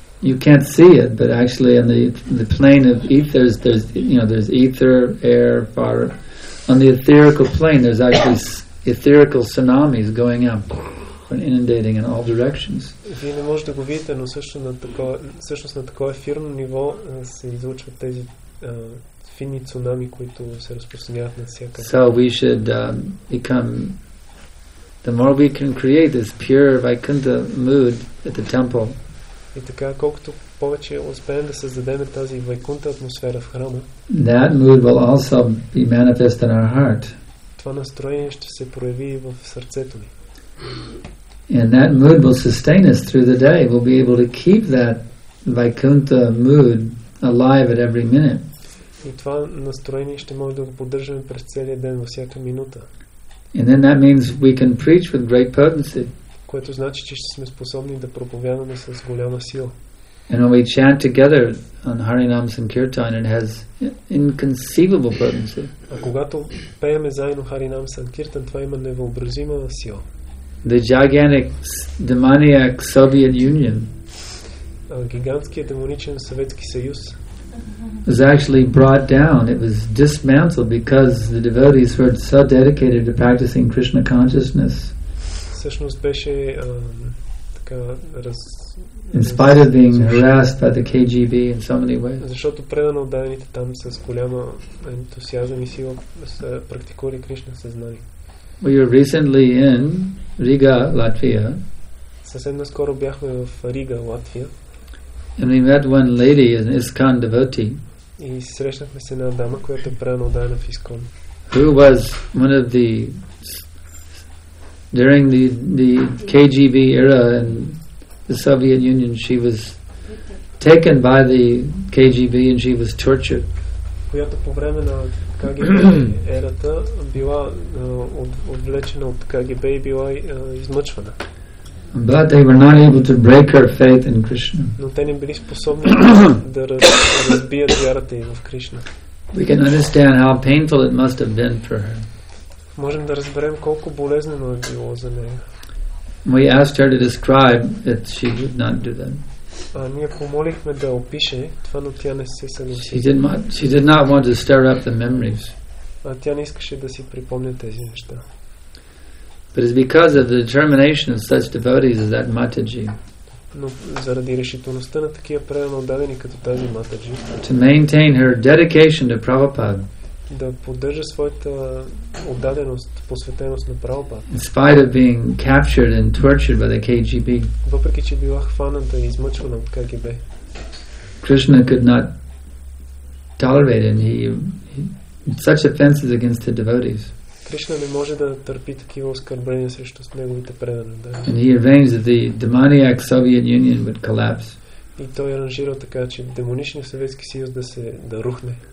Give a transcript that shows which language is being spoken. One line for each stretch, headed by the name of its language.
English: You can't see it, but actually on the plane of ethers, there's ether, air, fire. On the etherical plane, there's actually etherical tsunamis going up and inundating in all directions.
Bulgarian: Вие не можете да го видите, но всъщност на такова ефирно ниво се излучват тези фини цунами, които се разпространяват на всяка.
English: So we should become, the more we can create this pure Vaikuntha mood at the temple.
Bulgarian: И така, колкото повече успеем да създадем тази Вайкунта атмосфера в храма,
English: that mood will also be manifest in our heart.
Bulgarian: Това настроение ще се прояви в сърцето ни.
English: And that mood will sustain us through the day. We'll be able to keep that Vaikuntha mood alive at every minute.
Bulgarian: И това настроение ще може да го поддържаме през целия ден, във всяка минута.
English: And then that means we can preach with great potency.
Bulgarian: Което значи, че ще сме способни да проповядаме с голяма сила.
English: And when we chant together on Harinam Sankirtan, it has inconceivable potency.
Bulgarian: А когато пееме заедно Харинам Санкиртан, това има невъобразима сила.
English: The gigantic demoniac Soviet Union
Bulgarian: гигантският демоничен Съветски съюз
English: was actually brought down. It was dismantled because the devotees were so dedicated to practicing Krishna consciousness.
Bulgarian: Всъщност беше така раз.
English: In spite of being harassed by the KGB in so many ways.
Bulgarian: Защото предано отдадените там с голяма ентусиазъм и сила са практикували Кришна съзнание.
English: We were recently in Riga, Latvia.
Bulgarian: Съвсем наскоро бяхме в Рига, Латвия.
English: And we met one lady, an ISKCON devotee.
Bulgarian: И срещнахме се на дама, която е предано отдадена в ISKCON.
English: Who was one of the during the KGB era and the Soviet Union, she was taken by the KGB and she was tortured.
Bulgarian: Която по време на КГБ ерата била отвлечена от КГБ и била измъчвана.
English: But they were not able to break her faith in Krishna.
Bulgarian: Но те не били способни да разбият вярата ѝ в Кришна.
English: We can understand how painful it must have been for her.
Bulgarian: Можем да разберем колко болезнено е било за нея.
English: We asked her to describe it, she would not do that.
Bulgarian: Ние помолихме да опише това, но тя не се съгласи.
English: She did not want to stir up the memories.
Bulgarian: Тя не искаше да си припомня тези неща.
English: But it's because of the determination of such devotees as that Mataji.
Bulgarian: Но заради решителността на такива предано отдадени като тази Mataji.
English: To maintain her dedication to Prabhupada.
Bulgarian: Да поддържа своята отдаденост, посветеност на Прабхупада.
English: In spite of being captured and tortured by the KGB.
Bulgarian: Въпреки че била хваната и измъчвана от КГБ.
English: Krishna could not tolerate it. He such offenses against the devotees.
Bulgarian: Кришна не може да търпи такива оскърбления срещу неговите предани.
English: And he arranged that the demoniac Soviet Union would collapse.
Bulgarian: И той аранжира така, че демоничният Съветски съюз да рухне.